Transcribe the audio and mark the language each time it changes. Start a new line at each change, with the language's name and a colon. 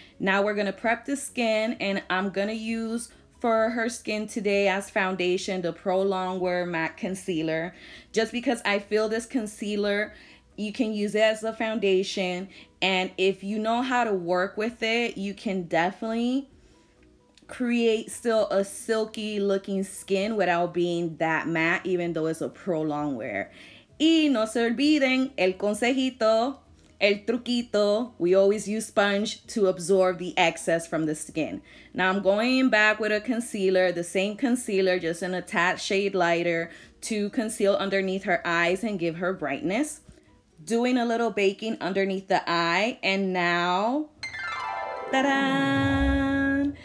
English: Now we're gonna prep the skin, and I'm gonna use for her skin today as foundation the Pro Longwear MAC Concealer, just because I feel this concealer, you can use it as a foundation, and if you know how to work with it, you can definitely create still a silky looking skin without being that matte, even though it's a Pro Longwear.
Spanish: Y no se olviden el consejito, el truquito.
English: We always use sponge to absorb the excess from the skin. Now I'm going back with a concealer, the same concealer, just in a tad shade lighter to conceal underneath her eyes and give her brightness. Doing a little baking underneath the eye, and now, ta-da!